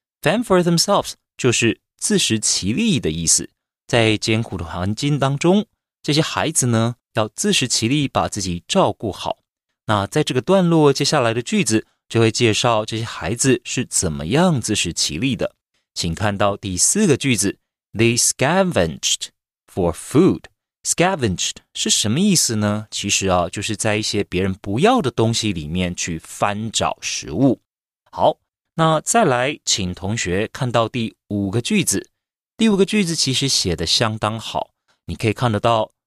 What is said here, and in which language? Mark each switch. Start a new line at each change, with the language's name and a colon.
English: fend for themselves
Chinese: 就是自食其力的意思。在艰苦的环境当中，这些孩子呢，要自食其力把自己照顾好。那在这个段落接下来的句子，就会介绍这些孩子是怎么样自食其力的。请看到第四个句子
English: They scavenged for food.
Chinese: Scavenged 是什么意思呢？其实啊，就是在一些别人不要的东西里面去翻找食物。好，那再来请同学看到第五个句子。第五个句子其实写得相当好，你可以看得到